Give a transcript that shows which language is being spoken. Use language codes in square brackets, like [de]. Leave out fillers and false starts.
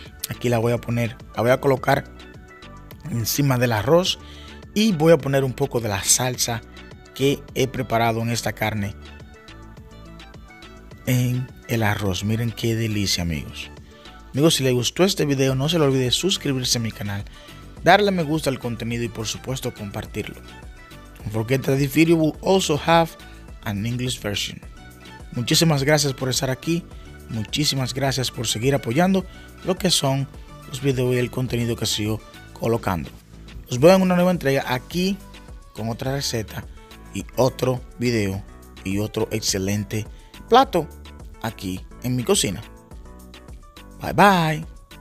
[es] Aquí la voy a poner, la voy a colocar encima del arroz y voy a poner un poco de la salsa que he preparado en esta carne en el arroz. Miren qué delicia, amigos. Amigos, si les gustó este video, no se le olvide suscribirse a mi canal, darle me gusta al contenido y por supuesto compartirlo. [en] Don't forget that this video will also have an English version. [es] Muchísimas gracias por estar aquí. Muchísimas gracias por seguir apoyando lo que son los videos y el contenido que sigo colocando. Los veo en una nueva entrega aquí con otra receta y otro video y otro excelente plato aquí en mi cocina. Bye bye.